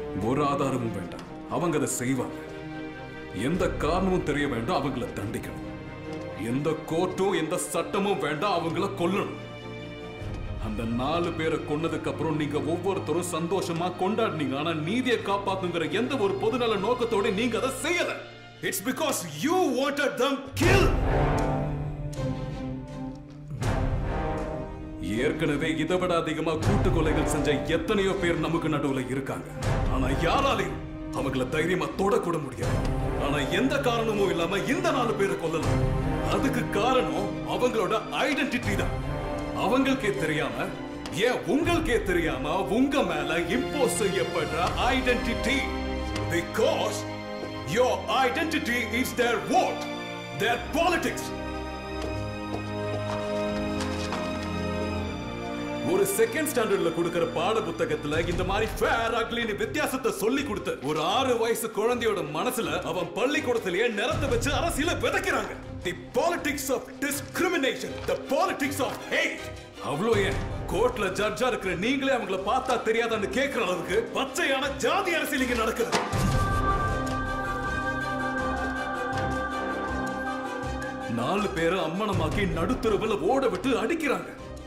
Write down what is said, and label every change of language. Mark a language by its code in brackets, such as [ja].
[ta] ஒரு ஆதாரமும் வேண்டாம், அவங்க அதை செய்வாங்க. எந்த காரணமும் தெரிய வேண்டாம், அவங்கள தண்டிக்கணும். எந்த கோர்ட்டும் எந்த சட்டமும் வேண்டாம், அவங்கள கொல்லணும். அந்த நாலு பேரை கொன்னதுக்கு அப்புறம் நீங்க ஒவ்வொருத்தரும் சந்தோஷமா கொண்டாடுனீங்க, ஆனா நீதியை காப்பாத்துங்கிற எந்த ஒரு பொதுநல நோக்கத்தோடு நீங்க அதை செய்யலை. [en] It's because you wanted them killed. [ta] ஏற்கனவே இதவிட அதிகமா கூட்டு கொலைகள் செஞ்ச எத்தனையோ பேர் நமக்கு நடுவுல இருக்காங்க. ஆனா யாராலையும் அவங்களை தைரியமா தொடக்கூட முடியாது. ஆனா எந்த காரணமும் இல்லாம இந்த நாலு பேரை கொல்லலாம். அதுக்கு காரணம் அவங்களோட ஐடென்டிட்டி தான். அவங்களுக்கே தெரியாம ஏன் உங்களுக்கே தெரியாம உங்க மேல impose செய்யப்படுற identity? [en] Because your identity is their vote, their politics. [ta] ஒரு செகண்ட் ஸ்டாண்டர்ட்ல கொடுக்கிற பாட புத்தகத்துல இந்த மாதிரி வித்தியாசத்தை சொல்லி கொடுத்த ஒரு ஆறு வயசு குழந்தையோட மனசுல அவன் பள்ளிக்கூடத்திலேயே நிறத்தை வச்சு அரசியல விதைக்கிறாங்க. [en] The politics of discrimination, the politics of hate. [ta] அவ்வளோ ஏன் கோர்ட்ல ஜட்ஜா இருக்கிற நீங்களே அவங்கள பார்த்தா தெரியாதான்னு கேட்கிற அளவுக்கு பச்சையான ஜாதி அரசியல் இங்க நடக்குது. நாலு பேரை அம்மனமாக்கி நடுத்தருவுல ஓட விட்டு அடிக்கிறாங்க.